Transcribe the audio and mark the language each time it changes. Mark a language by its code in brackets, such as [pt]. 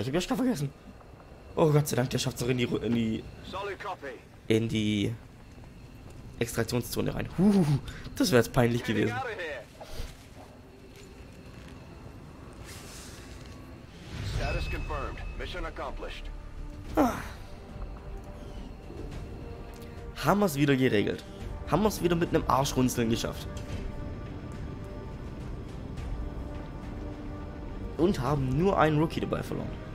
[de] Ich hab Joschka vergessen. Oh, Gott sei Dank. Der schafft es doch in die Extraktionszone rein. Das wäre jetzt peinlich gewesen. [en] Confirmed. Mission accomplished. [de] haben wir es wieder geregelt. Haben wir es wieder mit einem Arschrunzeln geschafft. Und haben nur einen Rookie dabei verloren.